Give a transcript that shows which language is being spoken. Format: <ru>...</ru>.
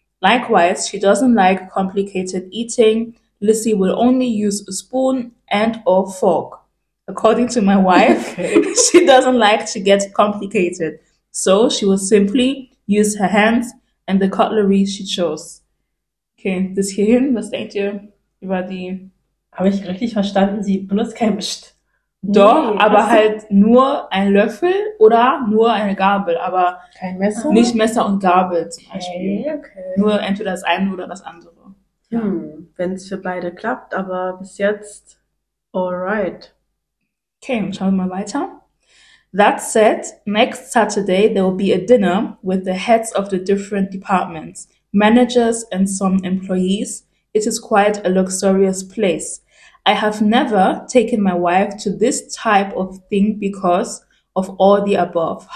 <en>Likewise, she doesn't like complicated eating. Lissy will only use a spoon and or fork. According to my wife, she doesn't like to get complicated. So she will simply use her hands and the cutlery she chose.</en> <de>Okay, bis hierhin, was denkt ihr über die? Habe ich richtig verstanden? Sie benutzt kein Besteck. Doch, Nee, aber was? halt nur ein Löffel oder nur eine Gabel, aber Kein nicht Messer und Gabel zum Beispiel. Okay. Nur entweder das eine oder das andere. Ja. Wenn es für beide klappt, aber bis jetzt, alright. Okay, schauen wir mal weiter.</de> <en>That said, next Saturday there will be a dinner with the heads of the different departments, managers and some employees. It is quite a luxurious place. I have never taken my wife to this type of thing because of all the above.</en>